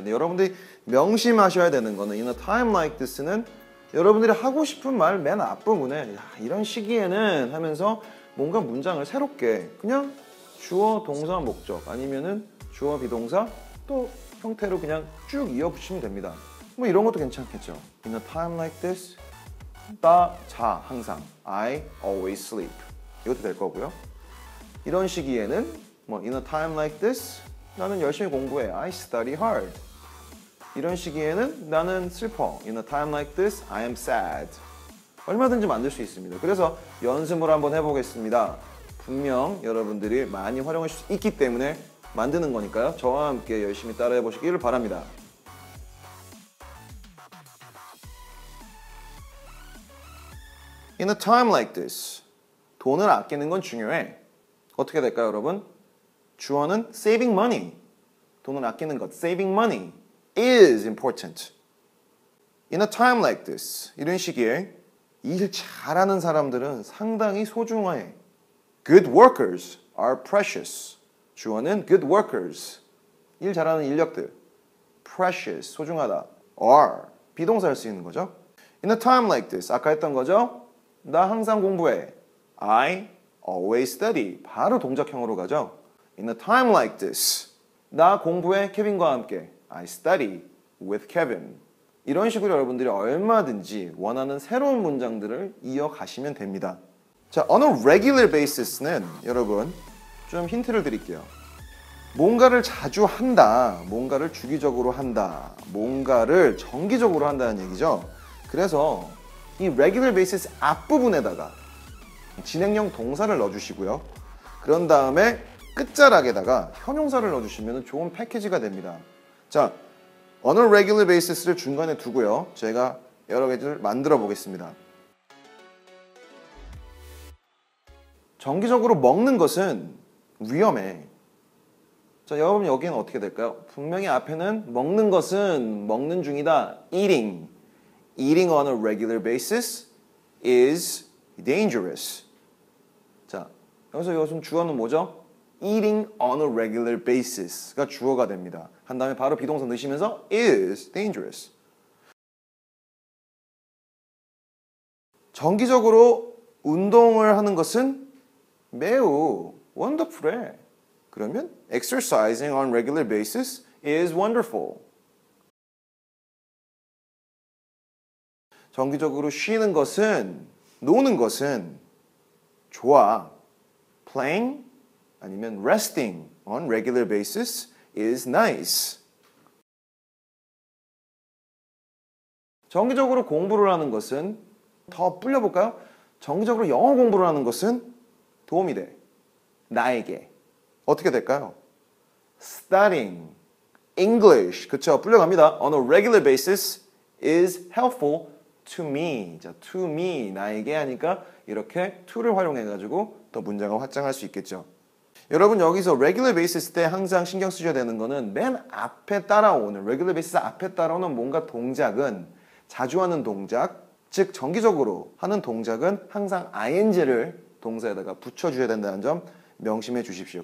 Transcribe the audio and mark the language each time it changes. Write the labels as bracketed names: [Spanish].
[Korean] 근데 여러분들이 명심하셔야 되는 거는 [English] In a time like this [Korean] 는 여러분들이 하고 싶은 말 맨 앞부분에 야, 이런 시기에는 하면서 뭔가 문장을 새롭게 그냥 주어, 동사, 목적 아니면은 주어, 비동사 또 형태로 그냥 쭉 이어붙이면 됩니다. 뭐 이런 것도 괜찮겠죠. [English] In a time like this [Korean] 나, 자, 항상 [English] I always sleep [Korean] 이것도 될 거고요. 이런 시기에는 뭐 [English] In a time like this [Korean] 나는 열심히 공부해 [English] I study hard [Korean] 이런 시기에는 나는 슬퍼 [English] In a time like this I am sad [Korean] 얼마든지 만들 수 있습니다. 그래서 연습을 한번 해보겠습니다. 분명 여러분들이 많이 활용할 수 있기 때문에 만드는 거니까요. 저와 함께 열심히 따라해 보시기를 바랍니다. [English] 'In a time like this', [Korean] 돈을 아끼는 건 중요해. 어떻게 될까요, 여러분? 주어는 [English] 'saving money', [Korean] 돈을 아끼는 것, [English] 'saving money' is important. 'In a time like this', [Korean] 이런 시기에 일 잘하는 사람들은 상당히 소중해. [English] 'Good workers are precious', [Korean] 주어는 'good workers', 일 잘하는 인력들, 'precious', 소중하다, 'are', 비동사일 수 있는 거죠. [English] 'In a time like this', [Korean] 아까 했던 거죠? 나 항상 공부해. [English] I always study. [Korean] 바로 동작형으로 가죠. [English] In a time like this. [Korean] 나 공부해 케빈과 함께. [English] I study with Kevin. [Korean] 이런 식으로 여러분들이 얼마든지 원하는 새로운 문장들을 이어가시면 됩니다. 자, on a regular basis는 여러분 좀 힌트를 드릴게요. 뭔가를 자주 한다. 뭔가를 주기적으로 한다. 뭔가를 정기적으로 한다는 얘기죠. 그래서 이 regular basis 앞부분에다가 진행형 동사를 넣어주시고요. 그런 다음에 끝자락에다가 형용사를 넣어주시면 좋은 패키지가 됩니다. 자, on a regular basis를 중간에 두고요. 제가 여러 개를 만들어 보겠습니다. 정기적으로 먹는 것은 위험해. 자, 여러분 여기는 어떻게 될까요? 분명히 앞에는 먹는 것은 먹는 중이다. [English] eating. Eating on a regular basis is dangerous. [Korean] 자, 여기서 이것은 주어는 뭐죠? [English] Eating on a regular basis가 [Korean] 주어가 됩니다. 한 다음에 바로 비동사 넣으시면서 [English] is dangerous. [Korean] 정기적으로 운동을 하는 것은 매우 wonderful해. [English] 그러면 exercising on a regular basis is wonderful. [Korean] 정기적으로 쉬는 것은, 노는 것은 좋아. [English] Playing 아니면 resting on regular basis is nice. [Korean] 정기적으로 공부를 하는 것은, 더 불려볼까요? 정기적으로 영어 공부를 하는 것은 도움이 돼. 나에게. 어떻게 될까요? [English] Studying English. [Korean] 그쵸, 불려갑니다. [English] On a regular basis is helpful. [Korean] To me, 자, to me, 나에게 하니까 이렇게 to를 활용해가지고 더 문장을 확장할 수 있겠죠. 여러분 여기서 regular basis 때 항상 신경 쓰셔야 되는 거는 맨 앞에 따라오는, regular basis 앞에 따라오는 뭔가 동작은 자주 하는 동작, 즉 정기적으로 하는 동작은 항상 ing를 동사에다가 붙여주셔야 된다는 점 명심해 주십시오.